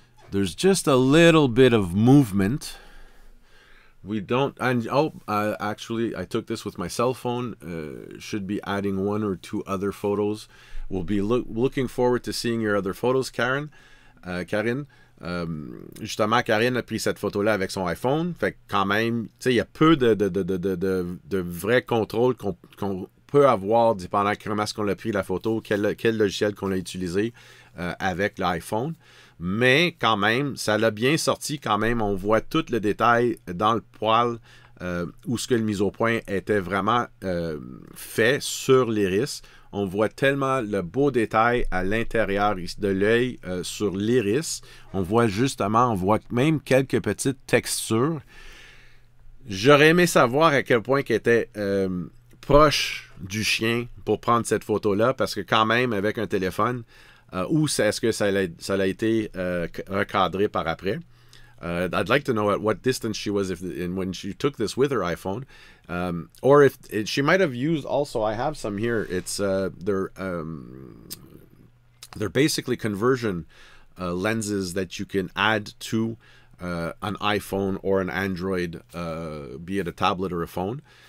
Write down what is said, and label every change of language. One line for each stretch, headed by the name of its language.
English: There's just a little bit of movement. Actually, I took this with my cell phone. Should be adding one or two other photos. We'll be looking forward to seeing your other photos, Karen. Karine.
French: Justement, Karine a pris cette photo-là avec son iPhone. Fait que quand même, tu sais, il y a peu de vrai contrôle qu'on peut avoir dépendant comment est-ce qu'on a pris la photo, quel logiciel qu'on a utilisé avec l'iPhone. Mais quand même, ça l'a bien sorti quand même. On voit tout le détail dans le poil où ce que le mise au point était vraiment fait sur l'iris. On voit tellement le beau détail à l'intérieur de l'œil sur l'iris. On voit justement, on voit même quelques petites textures. J'aurais aimé savoir à quel point qu'elle était proche du chien pour prendre cette photo-là, parce que quand même, avec un téléphone, où est-ce que ça a été recadré par après?
English: I'd like to know at what distance she was when she took this with her iPhone. Or if she might have used also, I have some here. It's they're basically conversion lenses that you can add to an iPhone or an Android, be it a tablet or a phone.